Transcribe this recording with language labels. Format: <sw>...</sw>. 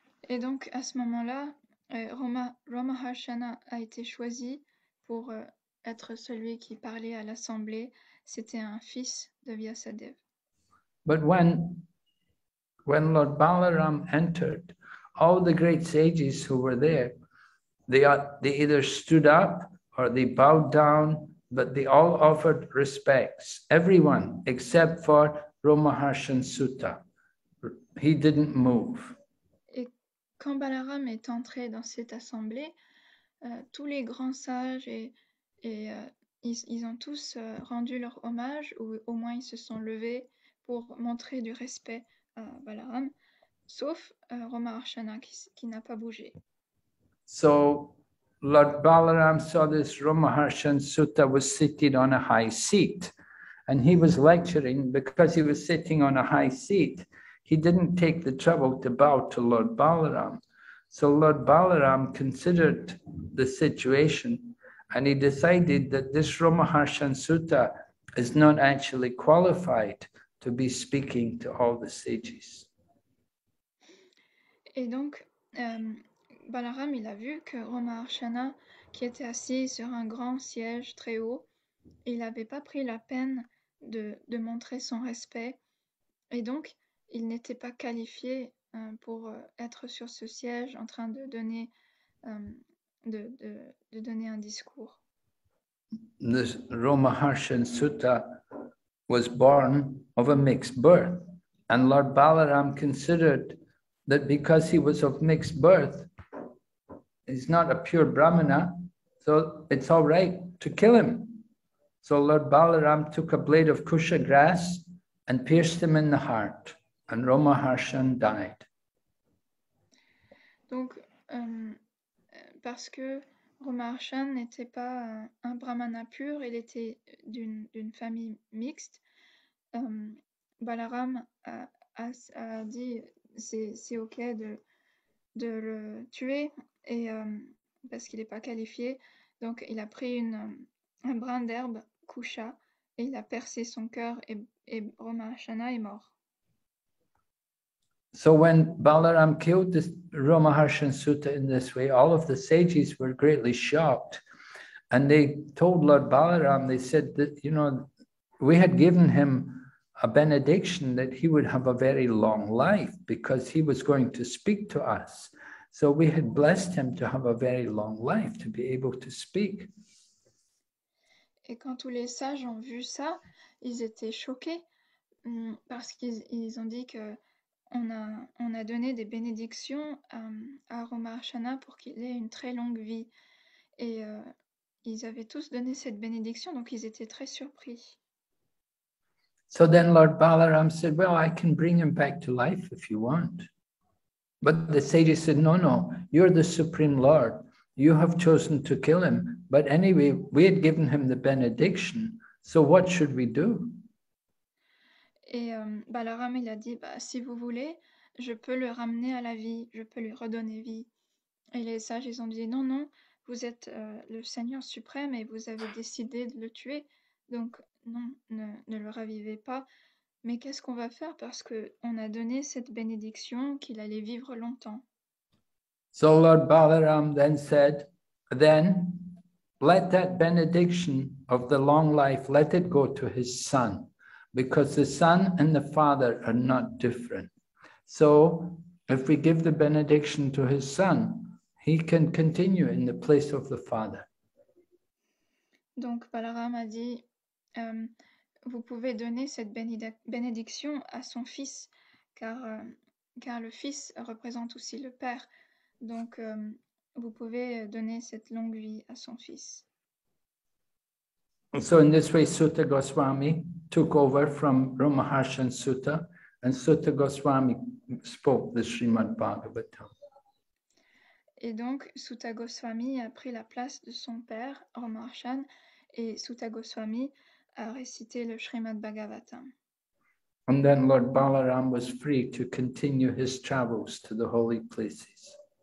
<fr>Et donc, à ce moment-là, Romaharshana a été choisi pour être celui qui parlait à l'assemblée. C'était un fils de Vyasadeva.</fr> <en>But when Lord Balaram entered, all the great sages who were there, they either stood up or they bowed down, but they all offered respects, everyone except for Romaharshan Sutta. He didn't move.</en> <fr>Et quand Balaram est entré dans cette assemblée, tous les grands sages ils ont tous rendu leur hommage, ou au moins ils se sont levés pour montrer du respect à Balaram, sauf Romaharshana qui n'a pas bougé.</fr> <en>So Lord Balaram saw this Romaharshan Sutta was sitting on a high seat, and he was lecturing. Because he was sitting on a high seat, he didn't take the trouble to bow to Lord Balaram. So Lord Balaram considered the situation, and he decided that this Romaharshan Sutta is not actually qualified to be speaking to all the sages.</en> <fr>Et donc, Balaram, il a vu que Romaharshana, qui était assis sur un grand siège très haut, il n'avait pas pris la peine de montrer son respect. Et donc, il n'était pas qualifié pour être sur ce siège en train de donner un discours.</fr> <en>The Romaharshan Sutta was born of a mixed birth, and Lord Balaram considered that because he was of mixed birth, he's not a pure Brahmana, so it's all right to kill him. So Lord Balaram took a blade of kusha grass and pierced him in the heart, and Romaharshan died.</en> <fr>Donc, parce que Romaharshan n'était pas un Brahmana pur, il était d'une famille mixte, Balaram a dit c'est ok de le tuer et parce qu'il n'est pas qualifié. Donc il a pris un brin d'herbe kusha et il a percé son cœur et Romaharshana est mort.</fr> <en>So when Balaram killed this Romaharshan Sutta in this way, all of the sages were greatly shocked, and they told Lord Balaram, they said that, you know, we had given him a benediction that he would have a very long life because he was going to speak to us. So we had blessed him to have a very long life, to be able to speak.</en> <fr>Et quand tous les sages ont vu ça, ils étaient choqués parce qu'ils ont dit que on a donné des bénédictions à Romaharshana pour qu'il ait une très longue vie. Et ils avaient tous donné cette bénédiction, donc ils étaient très surpris.</fr> <en>So then Lord Balaram said, well, I can bring him back to life if you want. But the sages said, no, no, you're the Supreme Lord. You have chosen to kill him. But anyway, we had given him the benediction. So what should we do?</en> <fr>Et Balaram, il a dit, si vous voulez, je peux le ramener à la vie, je peux lui redonner vie. Et les sages, ils ont dit, non, non, vous êtes le Seigneur suprême et vous avez décidé de le tuer. Donc, non, ne le ravivez pas. Mais qu'est-ce qu'on va faire? Parce qu'on a donné cette bénédiction qu'il allait vivre longtemps.</fr> <en>So Lord Balaram then said, then Let that benediction of the long life, let it go to his son, because the son and the father are not different. So if we give the benediction to his son, he can continue in the place of the father.</en> <fr>Donc Balarama dit, vous pouvez donner cette bénédiction à son fils, car le fils représente aussi le père. Donc vous pouvez donner cette longue vie à son fils.</fr> <en>So in this way, Sutta Goswami took over from Ramaharshan Sutta, and Sutta Goswami spoke the Srimad Bhagavatam.</en> <fr>Et donc Sutta Goswami a pris la place de son père Ramaharshan, et Sutta Goswami a récité le Srimad Bhagavatam.</fr> <en>And then Lord Balaram was free to continue his travels to the holy places.</en>